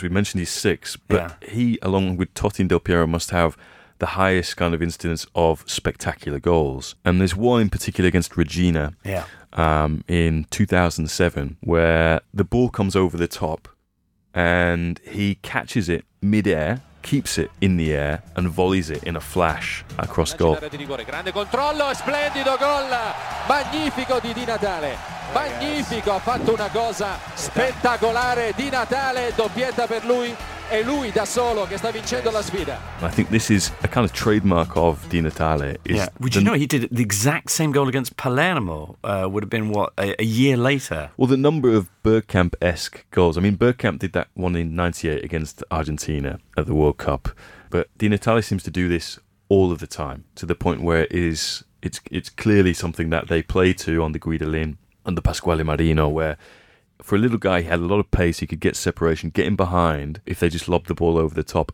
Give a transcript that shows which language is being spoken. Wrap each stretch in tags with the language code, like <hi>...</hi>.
<en>We mentioned he's 6, but he, along with Totti and Del Piero, must have the highest kind of incidence of spectacular goals. And there's one in particular against Regina in 2007 where the ball comes over the top and he catches it mid-air, keeps it in the air and volleys it in a flash across goal.</en> <it>Grande controllo, splendido gol, magnifico di Di Natale, magnifico, ha fatto una cosa spettacolare, Di Natale, doppietta per lui, e lui da solo che sta vincendo la sfida.</it> <en>I think this is a kind of trademark of Di Natale. Would you know he did the exact same goal against Palermo, would have been what, a year later? Well, the number of Bergkamp-esque goals. I mean, Bergkamp did that one in 98 against Argentina at the World Cup. But Di Natale seems to do this all of the time, to the point where it's clearly something that they play to on the Guidolin and the Pasquale Marino, where for a little guy, he had a lot of pace. He could get separation, get in behind if they just lobbed the ball over the top.</en>